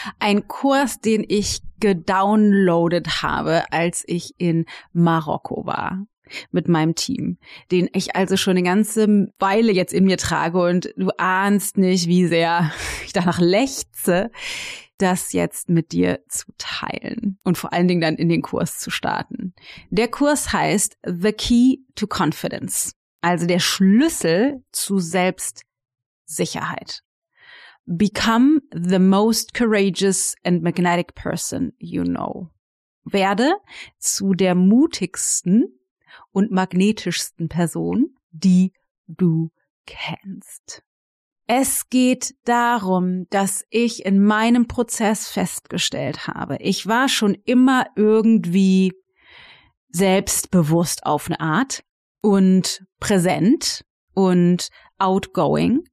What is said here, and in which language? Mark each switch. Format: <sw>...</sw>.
<de>Ein Kurs, den ich gedownloadet habe, als ich in Marokko war mit meinem Team, den ich also schon eine ganze Weile jetzt in mir trage und du ahnst nicht, wie sehr ich danach lechze, das jetzt mit dir zu teilen und vor allen Dingen dann in den Kurs zu starten. Der Kurs heißt The Key to Confidence, also der Schlüssel zu Selbstsicherheit.</de> <en>Become the most courageous and magnetic person you know.</en> <de>Werde zu der mutigsten und magnetischsten Person, die du kennst. Es geht darum, dass ich in meinem Prozess festgestellt habe, ich war schon immer irgendwie selbstbewusst auf eine Art und präsent und outgoing.</de>